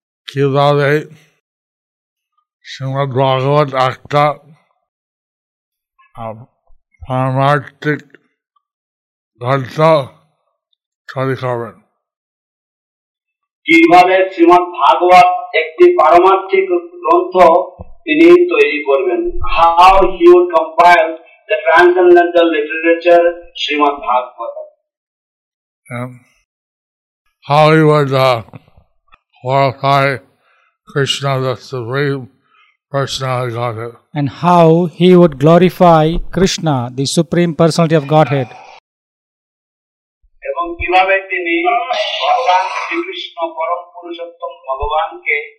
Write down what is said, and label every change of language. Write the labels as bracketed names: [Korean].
[Bangla] কিভাবে শ্রীমদ্ ভাগবত একটা পারমার্থিক গ্রন্থ তৈরি করবেন। কিভাবে শ্রীমদ ভাগবত একটি পারমার্থিক গ্রন্থ তিনি তৈরি করবেন? [English] How he would compile the transcendental literature Srimad Bhagavatam? How he would qualify Krishna the Supreme Personality of Godhead? And how he would glorify Krishna the Supreme Personality of Godhead? [Bangla] এবং কিভাবে তিনি ভগবান শ্রীকৃষ্ণ পরম পুরুষোত্তম ভগবানকে